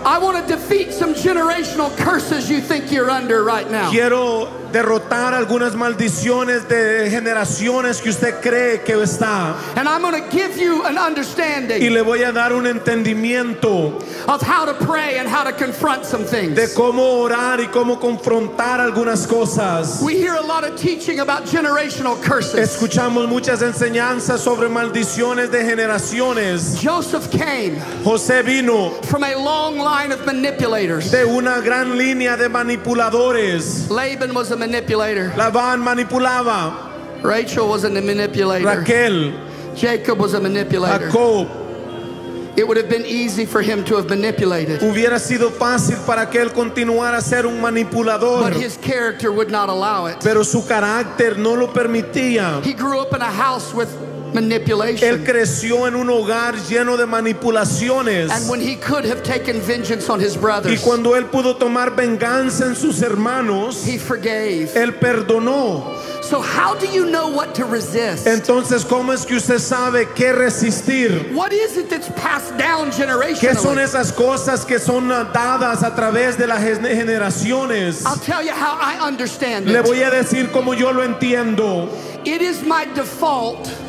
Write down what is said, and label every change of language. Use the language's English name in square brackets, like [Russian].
[English] I want to defeat some generational curses you think you're under right now. [Spanish] Quiero derrotar algunas maldiciones de generaciones que usted cree que está. [English] And I'm going to give you an understanding. [Spanish] Y le voy a dar un entendimiento. [English] Of how to pray and how to confront some things. [Spanish] De cómo orar y cómo confrontar algunas cosas. [English] We hear a lot of teaching about generational curses. [Spanish] Escuchamos muchas enseñanzas sobre maldiciones de generaciones. [English] Joseph came. [Spanish] José vino. [English] From a long line of manipulators. [Spanish] De una gran línea de manipuladores. [English] Laban was a manipulator. [Spanish] Labán manipulaba. [English] Rachel was a manipulator. [Spanish] Raquel. [English] Jacob was a manipulator. [Spanish] Jacob. [English] It would have been easy for him to have manipulated. [Spanish] Hubiera sido fácil para que él continuara a ser un manipulador. [English] But his character would not allow it. [Spanish] Pero su carácter no lo permitía. [English] He grew up in a house with manipulation. [Spanish] Él creció en un hogar lleno de manipulaciones. [English] And when he could have taken vengeance on his brothers, [Spanish] y cuando él pudo tomar venganza en sus hermanos, [English] he forgave. [Spanish] Él perdonó. [English] So how do you know what to resist? [Spanish] Entonces, ¿cómo es que usted sabe qué resistir? [English] What is it that's passed down generationally? [Spanish] ¿Qué son esas cosas que son dadas a través de las generaciones? [English] I'll tell you how I understand it. [Spanish] Le voy a decir cómo yo lo entiendo. [English] It is my default.